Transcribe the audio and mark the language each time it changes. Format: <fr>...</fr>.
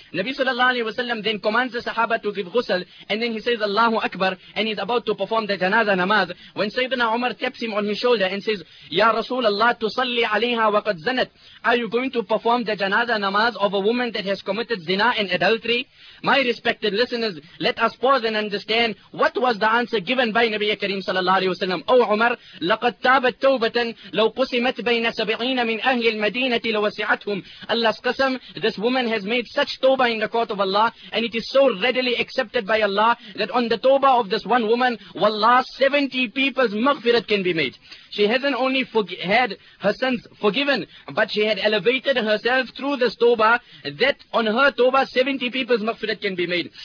<en>Nabi sallallahu alayhi wa sallam then commands the Sahaba to give ghusl, and then he says Allahu Akbar, and he's about to perform the janaza namaz, when Sayyidina Umar taps him on his shoulder and says,</en> <ar>Ya Rasulallah, tusalli alayha wa qad zanat.</ar> <en>Are you going to perform the janaza namaz of a woman that has committed zina and adultery? My respected listeners, let us pause and understand what was the answer given by Nabi Karim sallallahu alayhi wa sallam.</en> <ar>O Umar, لَقَدْ تَابَتْ تَوْبَةً لَوْ قُسِمَتْ بَيْنَ سَبِعِينَ مِنْ أَهْلِ الْمَدِينَةِ لَوَسِعَتْهُمْ.</ar> <en>Allah's Qasam, this woman has made such tawbah in the court of Allah, and it is so readily accepted by Allah, that on the tawbah of this one woman, wallah, 70 people's maghfirat can be made. She hasn't only had her sins forgiven, but she had elevated herself through this tawbah, that on her tawbah, 70 people's maghfirat can be made.</en>